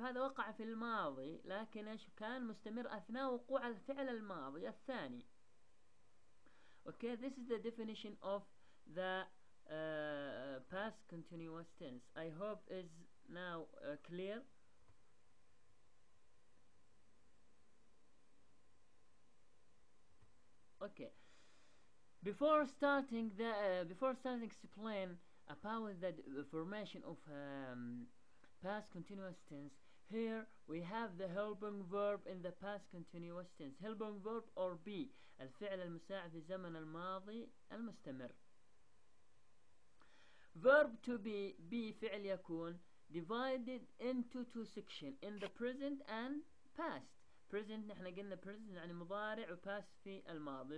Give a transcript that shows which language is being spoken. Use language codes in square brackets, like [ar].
[ar] هذا وقع في الماضي, لكن كان مستمر أثناء وقوع الفعل الماضي الثاني. [en] Okay, this is the definition of the past continuous tense. I hope is now clear. Okay, before starting to explain about the formation of past continuous tense, here we have the helping verb in the past continuous tense. Helping verb or be, [ar] الفعل المساعد في زمن الماضي المستمر. [en] Verb to be [ar] فعل يكون, [en] divided into two sections, in the present and past. [ar] Present, نحن قلنا present يعني مضارع, و past في الماضي.